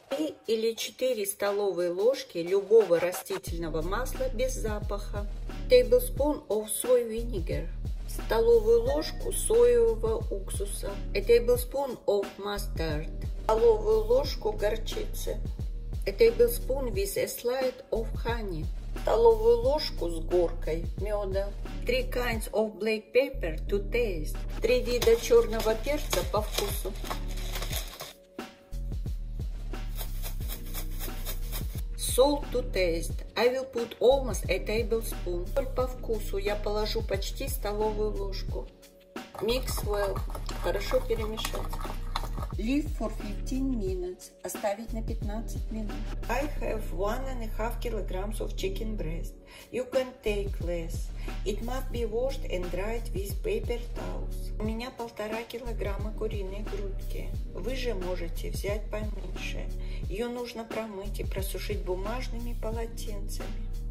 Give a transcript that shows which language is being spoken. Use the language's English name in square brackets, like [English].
[Russian] 3 или 4 столовые ложки любого растительного масла без запаха. [English] Tablespoon of soy vinegar. [Russian] Столовую ложку соевого уксуса. [English] A tablespoon of mustard. [Russian] Столовую ложку горчицы. [English] A tablespoon with a slide of honey. [Russian] Столовую ложку с горкой меда. [English] 3 kinds of black pepper to taste. [Russian] 3 вида черного перца по вкусу. [English] Salt to taste. I will put almost a tablespoon. [Russian] Соль по вкусу. Я положу почти столовую ложку. [English] Mix well. [Russian] Хорошо перемешать. [English] Leave for 15 minutes. [Russian] Оставить на 15 минут. [English] I have 1.5 kilograms of chicken breast. You can take less. It must be washed and dried with paper towels. [Russian] У меня 1.5 килограмма куриной грудки. Вы же можете взять поменьше. Ее нужно промыть и просушить бумажными полотенцами.